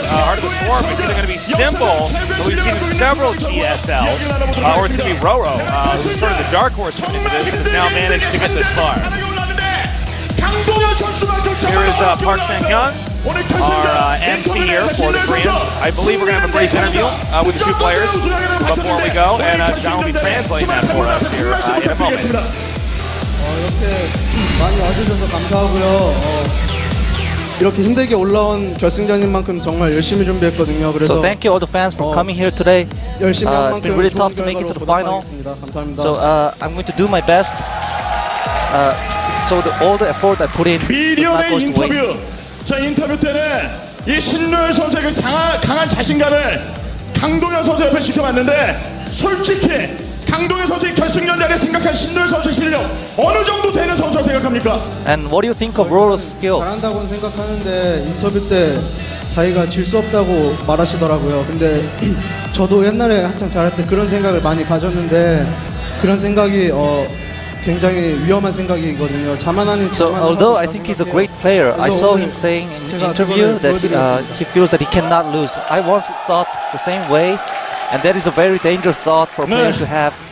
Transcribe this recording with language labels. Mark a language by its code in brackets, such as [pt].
[en] Heart of the Swarm is either going to be Simple, who we've seen in several GSLs, or it's going to be RorO, who's sort of the dark horse coming into this and has now managed to get this far. Here is Park Sang-young, our MC here for the Koreans. I believe we're going to have a brief interview with a few players before we go, and John will be translating that for us here in a moment. [ko] 이렇게 많이 와주셔서 감사하고요. 이렇게 힘들게 올라온 결승전인 만큼 정말 열심히 준비했거든요. 그래서 [en] So thank you all the fans for coming here today. [ko] 열심히 한 만큼 [en] really tough to make it to the final. [ko] 감사합니다. [en] So I'm going to do my best. So all the effort I put in. [ko] 미디어의 인터뷰. 자, 인터뷰 때는 이 신노열 선수의 그 강한 자신감을 강동현 선수 옆에 지켜봤는데 솔직히 강동현 선수의 결승전 자리에 생각한 신노열 선수의 실력 어느 정도 되는 선수라고 생각합니까? [en] And what do you think of RorO's skill? [ko] 잘한다고 생각하는데 인터뷰 때 자기가 질 수 없다고 말하시더라고요. 근데 저도 옛날에 한창 잘할 때 그런 생각을 많이 가졌는데 그런 생각이 굉장히 위험한 생각이거든요. 자만 아닌 [en] So although I think he's a great player, I saw him saying in an interview that he feels that he cannot lose. I once thought the same way, and that is a very dangerous thought for a player to have.